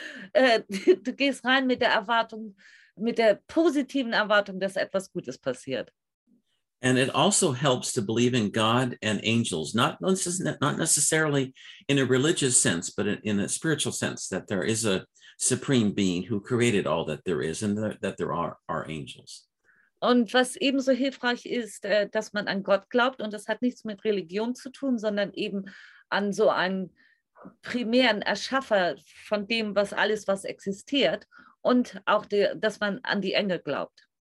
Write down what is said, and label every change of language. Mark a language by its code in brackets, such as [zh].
[de] Du gehst rein mit der Erwartung, mit der positiven Erwartung, dass etwas Gutes passiert. [en] And it also helps to believe in God and angels, not necessarily in a religious sense, but in a spiritual sense, that there is a supreme being who created all that there is and that there are angels. [de] Und was ebenso hilfreich ist, dass man an Gott glaubt, und das hat nichts mit Religion zu tun, sondern eben an so einen primären Erschaffer von dem, was alles, was existiert, und auch dass man an die Engel glaubt.